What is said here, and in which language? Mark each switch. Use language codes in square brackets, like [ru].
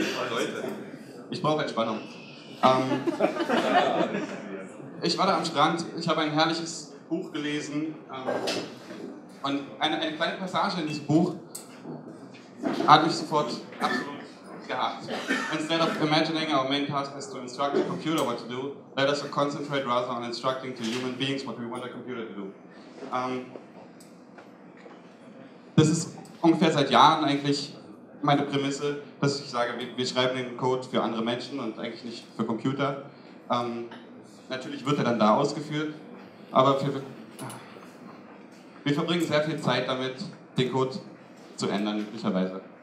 [de] Leute, ich brauche Entspannung. Ich war da am Strand, ich habe ein herrliches Buch gelesen und eine kleine Passage in diesem Buch hat mich sofort absolut gehackt. [en] Instead of imagining our main task is to instruct a computer what to do, let us concentrate rather on instructing to human beings what we want a computer to do. [de] Das ist ungefähr seit Jahren eigentlich meine Prämisse, dass ich sage, wir schreiben den Code für andere Menschen und eigentlich nicht für Computer. Natürlich wird er dann da ausgeführt, aber wir verbringen sehr viel Zeit damit, den Code zu ändern, üblicherweise.